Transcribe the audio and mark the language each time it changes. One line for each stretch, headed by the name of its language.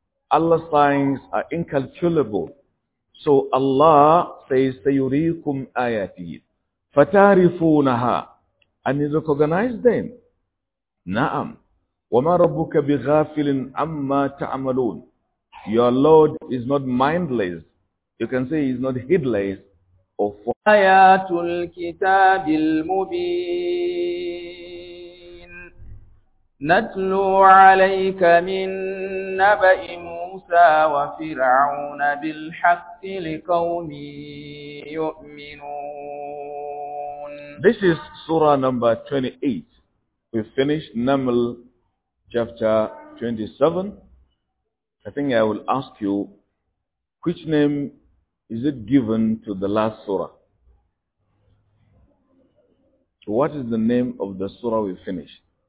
English: Allah's signs are incalculable. So Allah says,
Arabic: سَيُرِيكُمْ آيَاتِهِ فَتَعْرِفُونَهَا.
English: And you recognize them.
Arabic: نَعَمْ وَمَا رَبُّكَ بِغَافِلٍ عَمَّا تَعْمَلُونَ.
English: Your Lord is not mindless. You can say He's not heedless.
Arabic: آيات الكتاب المبين نتلو عليك من نبأ موسى وفرعون بالحق لقوم يؤمنون.
English: This is Surah number 28. We finished Naml chapter 27. I think I will ask you, which name is it given to the last surah? What is the name of the surah we finished?